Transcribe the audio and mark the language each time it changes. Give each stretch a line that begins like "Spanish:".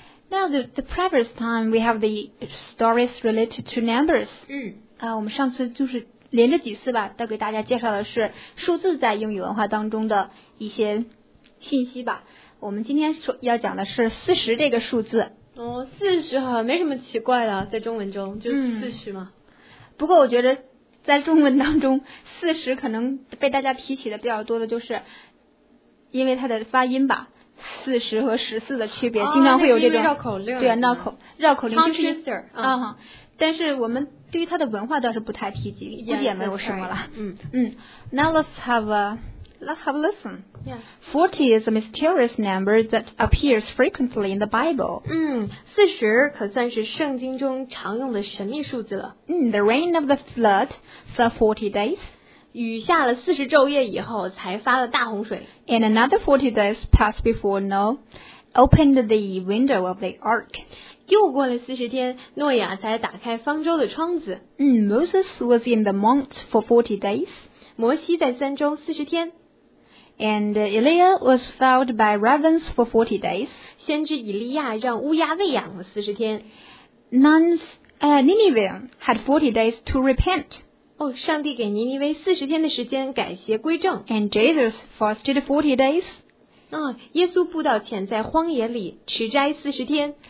English: Now, the previous time, we have the stories related to numbers.
Chinese: 我们上次就是连着几次吧，都给大家介绍的是数字在英语文化当中的一些信息吧。我们今天要讲的是40这个数字。 40好像没什么奇怪的，在中文中就是40嘛。不过我觉得在中文当中40可能被大家提起的比较多的就是因为它的发音吧。 40和14的区别经常会有这种绕口令，对啊，绕口令就是
English: sister,
Chinese: 但是我们对于它的文化倒是不太提及，估计也没有什么了。
English: Now let's have a listen. Yeah. 40 is a mysterious number that appears frequently in the Bible.
Chinese: 40可算是圣经中常用的神秘数字了。
English: The rain of the flood fell 40 days.
Chinese: 雨下了40昼夜以后才发了大洪水。
English: And another 40 days passed before Noah opened the window of the ark.
Chinese: 又过了40天诺亚才打开方舟的窗子。
English: Moses was in the mount for 40 days.
Chinese: 摩西在山中40天。
English: And Elijah was fed by ravens for 40 days.
Chinese: 先知以利亚让乌鸦喂养了40天。
English: Nineveh had 40 days to repent.
Chinese: 上帝给尼尼微40天的时间改邪归正。
English: And Jesus fasted 40 days.
Chinese: 耶稣布道前在荒野里持斋40天。